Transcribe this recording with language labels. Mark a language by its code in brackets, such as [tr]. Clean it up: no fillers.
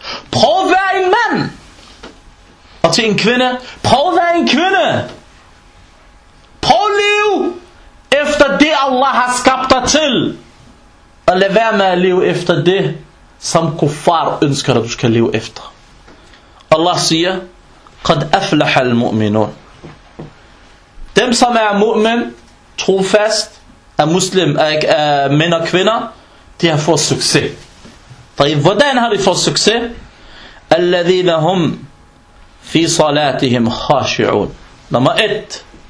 [da] Prøv at være en mand. Og til en kvinde, prøv at være en kvinde. Prøv at leve efter det, Allah har skabt dig til. Og lad være med at leve efter det, som kuffar ønsker, at du skal leve efter. Allah siger, [ar] قَدْ أَفْلَحَ الْمُؤْمِنُونَ. [da] Dem, som er mu'min, tro fast, er muslim, er mænd og kvinder, de har fået succes. Hvordan har de fået succes? [ar] Alladhina hum fi salatihim khashi'un. [da] Nummer 1.